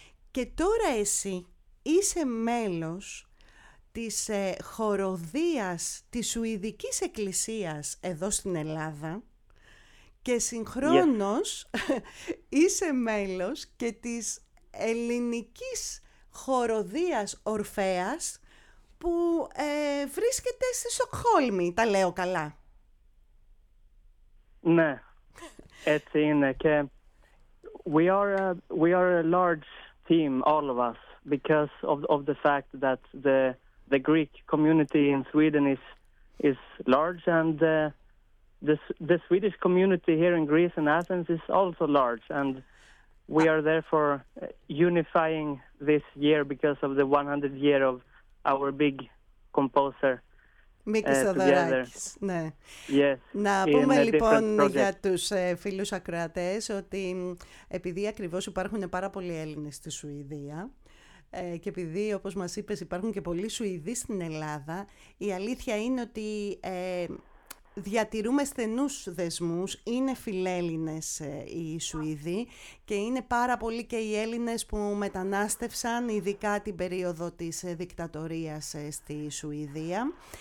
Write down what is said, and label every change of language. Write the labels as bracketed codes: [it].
[el] Και τώρα εσύ είσαι μέλος της χοροδίας της Σουηδικής Εκκλησίας εδώ στην Ελλάδα και συγχρόνως είσαι μέλος και της ελληνικής χοροδίας Ορφέας που βρίσκεται στη Στοκχόλμη, τα λέω καλά? Ναι, έτσι είναι. Και [en] we are a large team, all of us, because of the fact that the Greek community in Sweden is large, and the Swedish community here in Greece and Athens is also large, and we are therefore unifying this year because of the 100th year of our big composer. [el] Μίκης Θεοδωράκης, ναι. [en] Yes, [el] να πούμε λοιπόν για τους φίλους ακροατές ότι επειδή ακριβώς υπάρχουν πάρα πολλοί Έλληνες στη Σουηδία και επειδή όπως μας είπες υπάρχουν και πολλοί Σουηδοί στην Ελλάδα, η αλήθεια είναι ότι διατηρούμε στενούς δεσμούς, είναι φιλέλληνες οι Σουηδοί και είναι πάρα πολλοί και οι Έλληνες που μετανάστευσαν ειδικά την περίοδο της δικτατορίας στη Σουηδία.